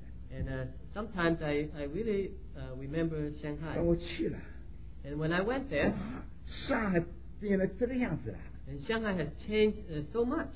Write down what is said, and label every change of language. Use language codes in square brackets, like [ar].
[en] And sometimes I really remember Shanghai. [zh] 但我去了, [en] and when I went there, [zh] 哇, 上海变了这个样子了, [en] and Shanghai has changed so much.